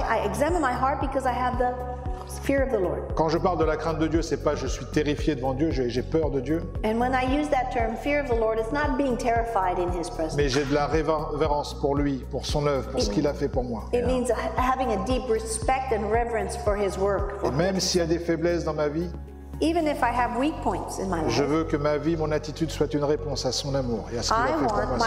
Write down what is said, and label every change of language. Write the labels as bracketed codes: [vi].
[en] I examine my heart because I have the fear of the Lord. [fr] Quand je parle de la crainte de Dieu, c'est pas je suis terrifié devant Dieu, j'ai peur de Dieu. [en] And when I use that term, fear of the Lord, it's not being terrified in His presence. [fr] Mais j'ai de la révérence pour lui, pour son œuvre, pour ce qu'il a fait pour moi. [en] It means having a deep respect and reverence for His work. [fr] Et même s'il y a des faiblesses dans ma vie. [en] Even if I have weak points in my life, [fr] je veux que ma vie, mon attitude soit une réponse à son amour et à ce qu'il a fait pour moi.